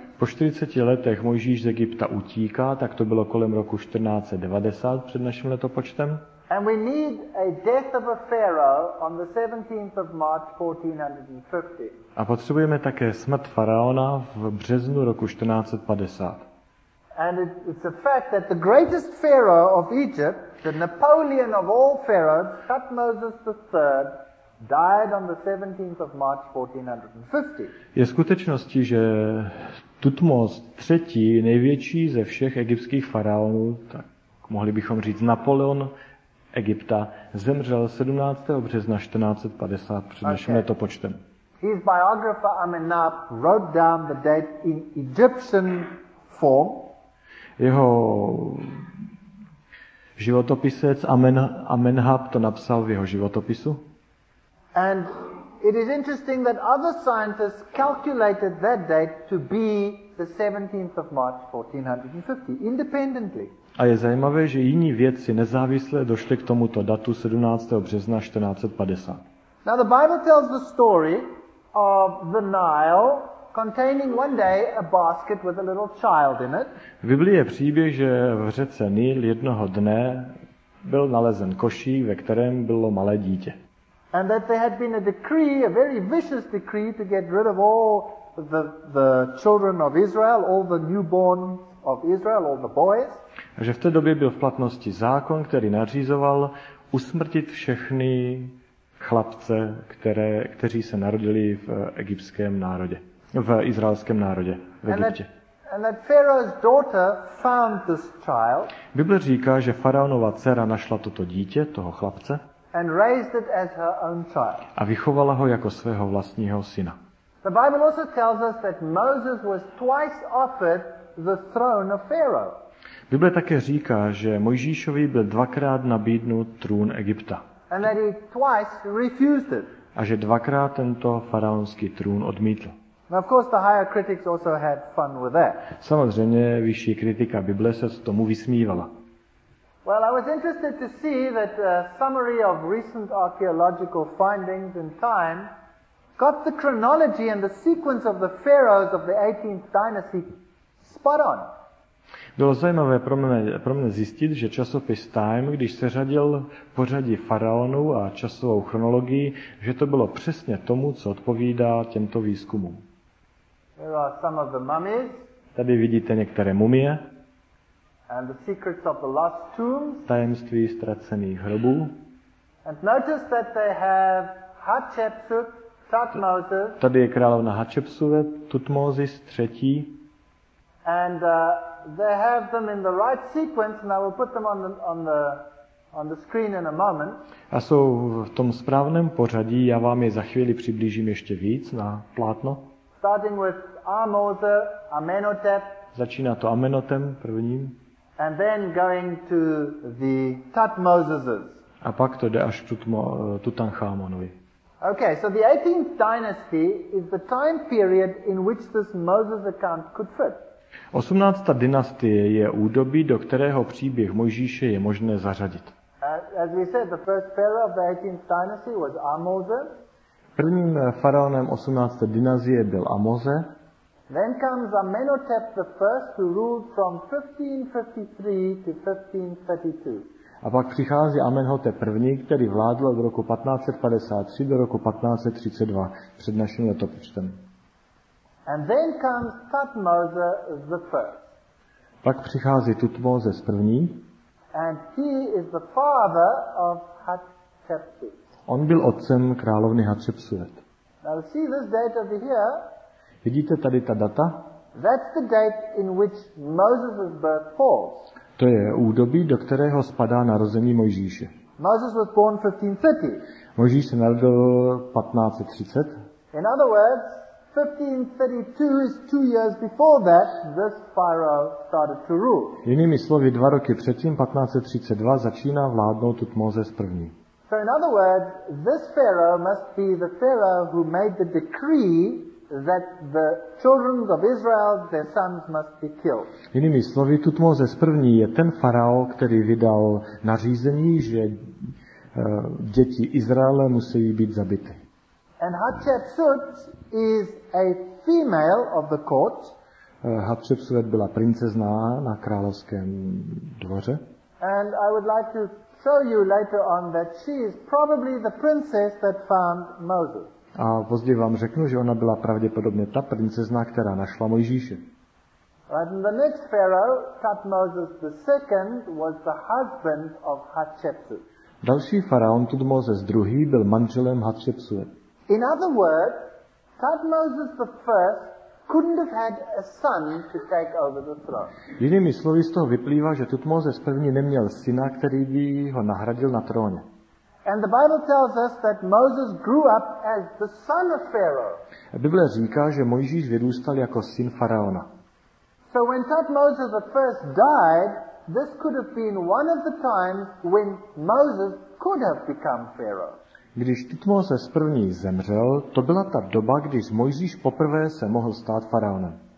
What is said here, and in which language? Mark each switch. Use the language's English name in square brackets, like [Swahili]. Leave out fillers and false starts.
[Czech] Po 40 letech Mojžíš z Egypta utíká, tak to bylo kolem roku 1490 před naším letopočtem. [English] And we need a death of a pharaoh on the 17th of March 1450. [Czech] A potřebujeme také smrt faraona v březnu roku 1450. [English] And it's a fact that the greatest pharaoh of Egypt, the Napoleon of all pharaohs, Thutmose III, died on the 17th of March 1450. [Czech] Je skutečností, že Tutmos III, největší ze všech egyptských faraonů, tak mohli bychom říct Napoleon Egypta, zemřel 17. března 1450 před naším letopočtem. [English] His biographer Amenab wrote down the date in Egyptian form. [Czech] Jeho životopisec Amenhab to napsal v jeho životopisu. [English] And it is interesting that other scientists calculated that date to be the 17th of March 1450 independently. [Czech] A je zajímavé, že jiní vědci nezávisle došli k tomuto datu 17. března 1450. [English] Now the Bible tells the story of the Nile containing one day a basket with a little child in it. [Czech] V Biblii je příběh, že v řece Nil jednoho dne byl nalezen košík, ve kterém bylo malé dítě. [English] And that there had been a decree, a very vicious decree, to get rid of all the children of Israel, all the newborns of Israel, all the boys. [Czech] A že v té době byl v platnosti zákon, který nařizoval usmrtit všechny chlapce, kteří se narodili v egyptském národě. V izraelském národě, v Egyptě. [English] And that Pharaoh's daughter found this child. [Czech] Bible říká, že faraonova dcera našla toto dítě, toho chlapce. [English] And raised it as her own child. [Czech] A vychovala ho jako svého vlastního syna. [English] The Bible also tells us that Moses was twice offered the throne of Pharaoh. [Czech] Bible také říká, že Mojžíšovi byl dvakrát nabídnut trůn Egypta. [English] And that he twice refused it. [Czech] A že dvakrát tento faraonský trůn odmítl. [English] And of course the higher critics also had fun with that. [Czech] Samozřejmě vyšší kritika Bible se s tomu vysmívala. [English] Well, I was interested to see that a summary of recent archaeological findings in time got the chronology and the sequence of the pharaohs of the 18th dynasty spot on. [Czech] Bylo zajímavé pro mě zjistit, že časopis Time, když se řadil pořadí faraonů a časovou chronologii, že to bylo přesně tomu, co odpovídá těmto výzkumům. [English] Here are some of the mummies. [Czech] Tady vidíte některé mumie. [English] And the secrets of the lost tombs. [Czech] Tajemství ztracených hrobů. [English] And notice that they have Hatshepsut, Tutmosis. [Czech] Tady je královna Hatshepsut, Tutmosis III. [English] And they have them in the right sequence, and I will put them on the screen in a moment. [Czech] A jsou v tom správném pořadí. Já vám je za chvíli přiblížím ještě víc na plátno. [English] Starting with Amoser, Amenhotep. [Czech] Začíná to Amenhotem prvním. [English] And then going to the Tutmoses. [Czech] A pak to jde až k Tutanchamonovi. [English] Okay, so the 18th dynasty is the time period in which this Moses account could fit. [Czech] 18. dynastie je údobí, do kterého příběh Mojžíše je možné zařadit. [English] As we said, the first pharaoh of the 18th dynasty was Amoser. [Czech] Prvním faraonem 18. dynastie byl Amoze. [English] Then comes Amenhotep the first, who ruled from 1553 to 1532. [Czech] A pak přichází Amenhotep první, který vládl od roku 1553 do roku 1532 před naším letopočtem. [English] And then comes Tutmosis the first. [Czech] Pak přichází Tutmosis první. [English] And he is the father of Hatshepsut. [Czech] On byl otcem královny Hatshepsut. [English] Now see this date over here. [Czech] Vidíte tady ta data? [English] That's the date in which Moses' birth falls. [Czech] To je údobí, do kterého spadá narození Mojžíše. [English] Moses was born 1530. [Czech] Mojžíš se narodil 1530. [English] In other words, 1532 is 2 years before that this pharaoh started to rule. [Czech] Jinými slovy, 2 roky předtím, 1532, začíná vládnout Tutmosis první. [English] So in other words, this pharaoh must be the pharaoh who made the decree that the children of Israel, their sons must be killed. [Czech] Jinými slovy, Tutmosis první je ten farao, který vydal nařízení, že děti Izraele musí být zabity. [English] And Hatshepsut is a female of the court. [Czech] Hatshepsut byla princezna na královském dvoře. [English] And I would like to show you later on that she is probably the princess that found Moses. [Czech] A později vám řeknu, že ona byla pravděpodobně ta princezna, která našla Mojžíše. [English] Right, and the next pharaoh, Tutmosis the second, was the husband of Hatshepsut. [Czech] Další faraon, Tutmosis II, byl manželem Hatshepsut. [English] In other words, Tutmosis the first couldn't have had a son to take over the throne. [Czech] Jinými slovy z toho vyplývá, že Tutmosis první neměl syna, který by ho nahradil na tróně. [English] And the Bible tells us that Moses grew up as the son of Pharaoh. [Czech] Bible říká, že Mojžíš vyrůstal jako syn faraona. [English] So when Tutmosis the first died, this could have been one of the times when Moses could have become Pharaoh. [Czech] Když Tutmosis první zemřel, to byla ta doba, když Mojžíš poprvé se mohl stát faraonem.